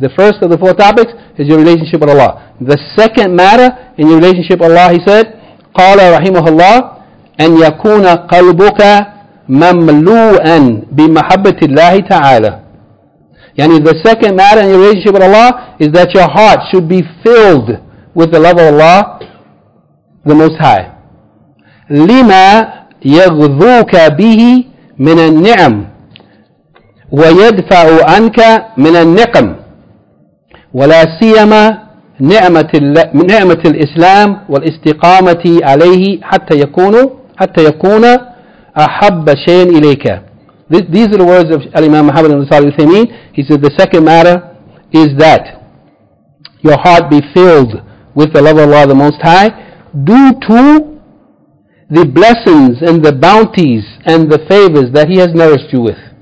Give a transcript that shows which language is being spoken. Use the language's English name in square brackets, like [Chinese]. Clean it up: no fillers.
[English] The first of the four topics is your relationship with Allah. The second matter in your relationship with Allah, he said, [Arabic] قال رحمه الله أن يكون قلبك مملوءا بمحبة الله تعالى. [English] Yani the second matter in your relationship with Allah is that your heart should be filled with the love of Allah, the Most High. [Arabic] لما يغذوك به من النعم ويدفع عنك من النقم ولا سيما نعمة الإسلام والاستقامة عليه حتى يكون أحب شيء إليك. [English] These are the words of Imam Muhammad ibn Salih al-Uthaymeen. He said the second matter is that your heart be filled with the love of Allah the Most High due to the blessings and the bounties and the favors that He has nourished you with.